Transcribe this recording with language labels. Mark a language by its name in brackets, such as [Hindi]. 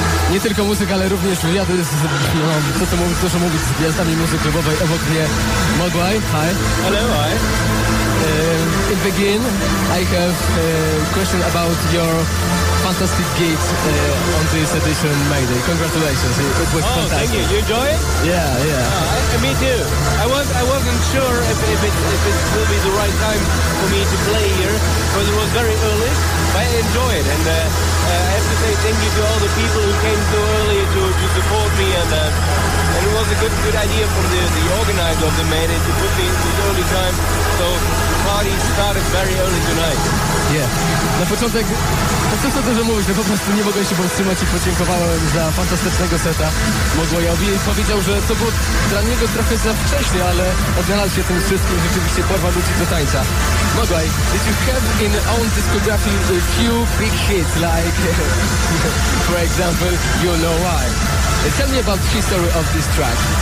[Polish] Nie tylko muzyka, ale również wywiady z, no, to co mówisz, proszę mówić, z gwiazdami muzyki klubowej obok mnie. [English] Mogwai, hi. Hello, hi. In begin, I have a question about your fantastic gigs on this edition Mayday. Congratulations, it was fantastic. Oh, thank you. You enjoy it? Yeah, yeah. Me too. I wasn't sure if it will be the right time for me to play here, because it was very early, but I enjoyed it. And I have to say thank you to all the people who came so early to support me. And it was a good idea from the organizer of the Mayday to put me in this early time. So the party started very early tonight. [Polish] Yeah. Na początek... Co to dużo mówić, no po prostu nie mogę się powstrzymać i podziękowałem za fantastycznego seta Mogwaiowi. Powiedział, że to było dla niego trochę za wcześnie, ale odnalazł się tym wszystkim, rzeczywiście porwał ludzi do tańca. [English] Mogwai, did you have in own discography a few big hits, like, for example, You Know Why? Tell me about the history of this track.